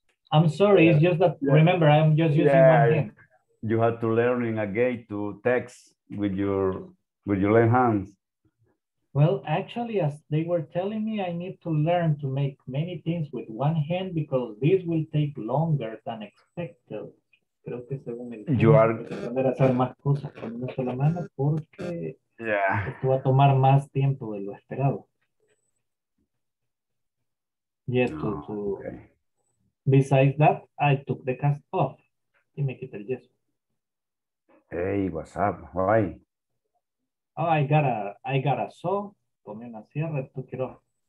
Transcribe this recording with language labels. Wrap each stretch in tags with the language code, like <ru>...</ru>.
<en>I'm sorry, it's just that, remember, I'm just using one thing. You have to learn again to text with your left hand. Well, actually, as they were telling me, I need to learn to make many things with one hand because this will take longer than expected.</en> <es>Creo que según el tiempo, voy a aprender a hacer más cosas con una sola mano porque esto va a tomar más tiempo de lo esperado.</es> <en>Yes, besides that, I took the cast off.</en> <es>Y me quité el yeso.</es> <en>Hey, what's up? Why? Oh, I got a saw.</en> <es>Tomé una sierra, tú quiero.</es>